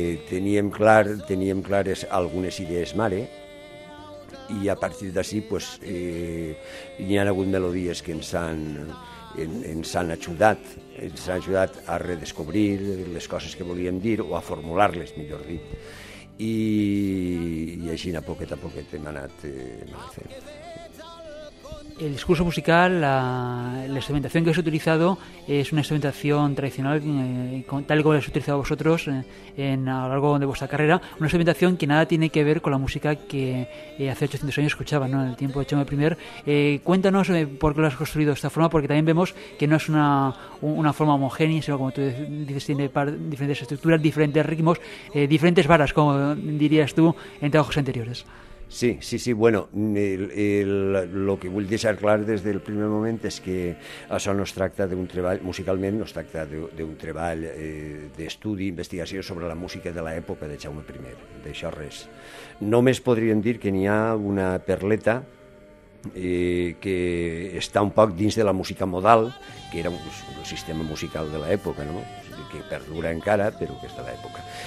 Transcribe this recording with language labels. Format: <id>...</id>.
<ca>Teníem clares algunes idees mare, i a partir d'ací pues, hi ha hagut melodies que ens han ajudat a redescobrir les coses que volíem dir o a formular-les, millor dit. I així, a poquet a poquet, hem anat fent.</ca> <es>El discurso musical, la instrumentación que has utilizado es una instrumentación tradicional, tal y como la has utilizado vosotros a lo largo de vuestra carrera, una instrumentación que nada tiene que ver con la música que hace 800 años escuchaba, ¿no?, en el tiempo de Chome I. Cuéntanos por qué lo has construido de esta forma, porque también vemos que no es una forma homogénea, sino, como tú dices, tiene diferentes estructuras, diferentes ritmos, diferentes varas, como dirías tú, en trabajos anteriores.</es> <ca>Sí, bueno, lo que vull deixar clar des del primer moment és que això no es tracta d'un treball, musicalment no es tracta d'un treball d'estudi, investigació sobre la música de l'època de Jaume I, d'això res. Només podríem dir que n'hi ha una perleta que està un poc dins de la música modal, que era un sistema musical de l'època, no?, que perdura encara, però que és de l'època.</ca>